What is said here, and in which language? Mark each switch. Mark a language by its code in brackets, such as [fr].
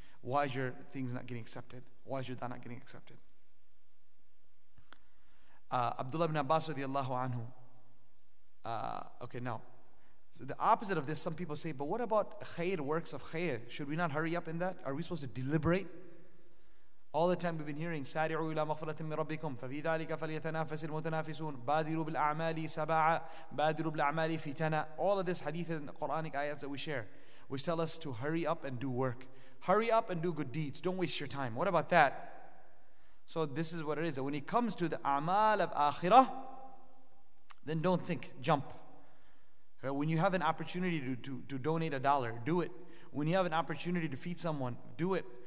[en] Why is your things not getting accepted? Why is your da'a not getting accepted? Abdullah ibn Abbas radiallahu anhu. So the opposite of this, some people say, but what about khair, works of khair? Should we not hurry up in that? Are we supposed to deliberate? [ar] All the time we've been hearing, سارعوا إلى مغفرة من ربكم ففي ذلك فليتنافس المتنافسون بادروا بالأعمال سبعة بادروا بالأعمال فتنة. [en] All of this hadith and Quranic ayats that we share, which tell us to hurry up and do work. Hurry up and do good deeds. Don't waste your time. What about that? So this is what it is. When it comes to the a'mal of akhirah, then don't think. Jump. When you have an opportunity to donate a dollar, do it. When you have an opportunity to feed someone, do it.